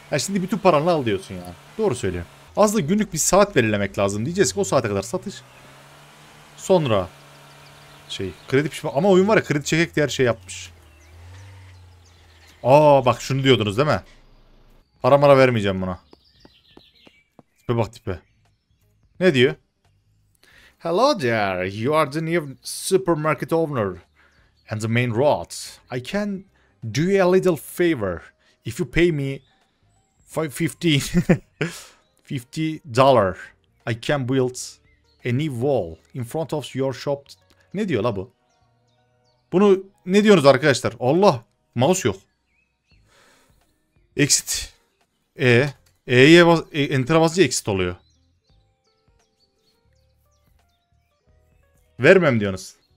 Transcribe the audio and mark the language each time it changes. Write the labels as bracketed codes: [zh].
[tr] Ya şimdi bütün paranı al diyorsun yani. Doğru söylüyor. Az da günlük bir saat belirlemek lazım. Diyeceğiz ki o saate kadar satış. Sonra. Şey. Kredi pişme. Ama oyun var ya. Kredi çekek diğer şey yapmış. Aa bak şunu diyordunuz değil mi? Para mara vermeyeceğim buna. Tipe bak tipe. Ne diyor? [en] Hello there, you are the new supermarket owner and the main road. I can do you a little favor if you pay me $50. I can build a new wall in front of your shop. [tr] Ne diyor la bu? Bunu ne diyoruz arkadaşlar? Allah, mouse yok. Exit. E'ye bas, enter'a basınca exit oluyor. Vermem diyorsunuz.